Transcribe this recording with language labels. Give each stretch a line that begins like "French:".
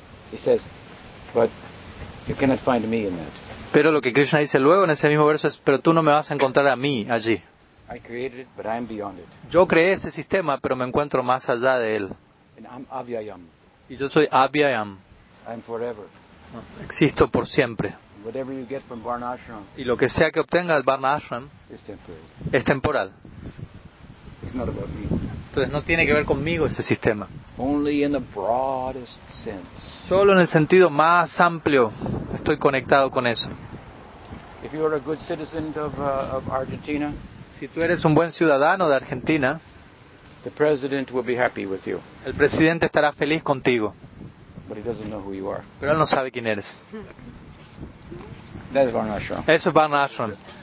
English: He says, but you cannot find me in that.
Spanish: Pero lo que Krishna dice luego en ese mismo verso es, pero tú no me vas a encontrar a mí allí.
English: I created it, but I'm beyond it.
Spanish: Yo creé ese sistema, pero me encuentro más allá de él.
English: And I'm Avyayam.
Spanish: Y yo soy Avyayam.
English: I'm forever.
Spanish: Existo por siempre.
English: Whatever you get from Varnashram,
Spanish: y lo que sea que obtengas Varnashram
English: is temporary.
Spanish: Es temporal.
English: It's not about me.
Spanish: Entonces no tiene que ver conmigo ese sistema.
English: Only in the broadest sense.
Spanish: Solo en el sentido más amplio estoy conectado con eso.
English: If you are a good citizen of Argentina,
Spanish: si tú eres un buen ciudadano de Argentina,
English: the president will be happy with you.
Spanish: El presidente estará feliz contigo.
English: But he doesn't know who you are.
Spanish: Pero él no sabe quién eres.
English: That is Varnashram.
Spanish: Eso es Varnashram.